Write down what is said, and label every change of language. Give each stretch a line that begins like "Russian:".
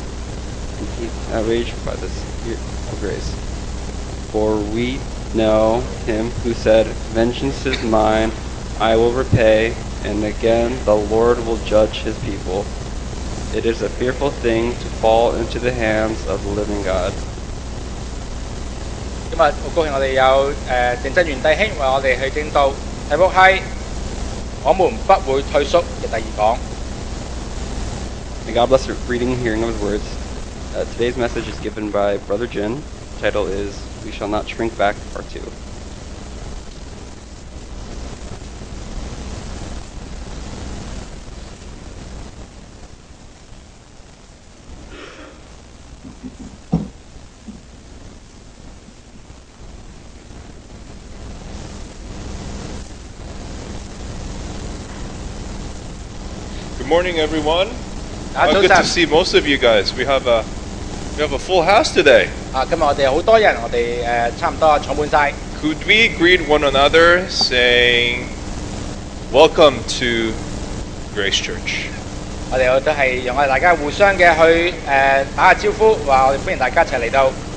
English: And he is outraged by the Spirit of grace. For we know him who said, Vengeance is mine, I will repay, and again the Lord will judge his people. It is a fearful thing to fall into the hands of the living God.
Chinese: 今天很高兴我们有郑振元弟兄为我们去证道，题目是我们不会退缩的第二讲。
English: May God bless the reading and hearing of his words. Today's message is given by Brother Jin. The title is We Shall Not Shrink Back, Part 2. Good morning, everyone. Good to see most of you guys. We have a full house today.
Chinese: 今天我们很多人，我们差不多坐满了。
English: Could we greet one another saying, Welcome to Grace Church?
Chinese: 我们都是让大家互相的去打个招呼，说我们欢迎大家一起来到。